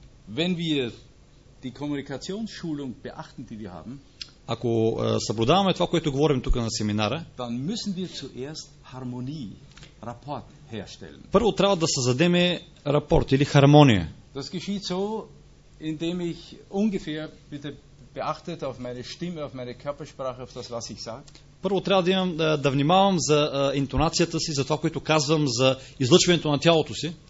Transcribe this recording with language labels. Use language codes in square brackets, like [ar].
[de] Wenn wir die Kommunikationsschulung beachten, die wir haben, [bg] ако съблюдаваме това, което говорим тук на семинара, [de] dann müssen wir zuerst Harmonie, Rapport herstellen. [bg] Първо трябва да създадем рапорт или хармония. [de] Das geschieht so, indem ich ungefähr, bitte beachtet auf meine Stimme, auf meine Körpersprache, auf das, was ich sage. [bg] Първо трябва да внимавам за интонацията си, за това, което казвам, за излъчването на тялото си.